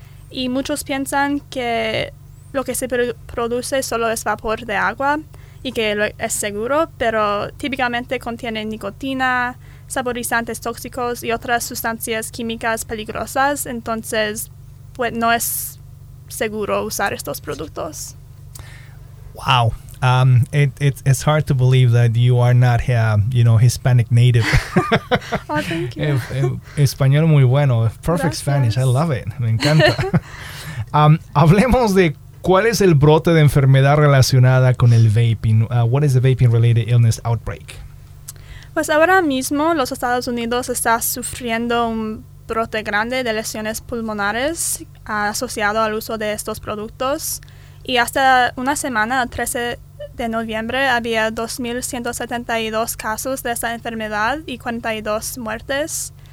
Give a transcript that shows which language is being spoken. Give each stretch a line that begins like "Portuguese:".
Spanish: Y muchos piensan que lo que se produce solo es vapor de agua y que es seguro, pero típicamente contiene nicotina, saborizantes tóxicos y otras sustancias químicas peligrosas. Entonces, pues no es seguro usar estos productos.
English: Wow. It's hard to believe that you are not a Hispanic native. Oh, thank you.
Spanish: Español muy bueno. Perfect. Gracias.
English: Spanish. I love it.
Spanish: Me encanta. Hablemos de cuál es el brote de enfermedad relacionada con el vaping.
English: What is the vaping-related illness outbreak?
Spanish: Pues ahora mismo los Estados Unidos está sufriendo un brote grande de lesiones pulmonares asociado al uso de estos productos. Y hasta una semana, el 13 de noviembre, había 2,172 casos de esta enfermedad y 42 muertes.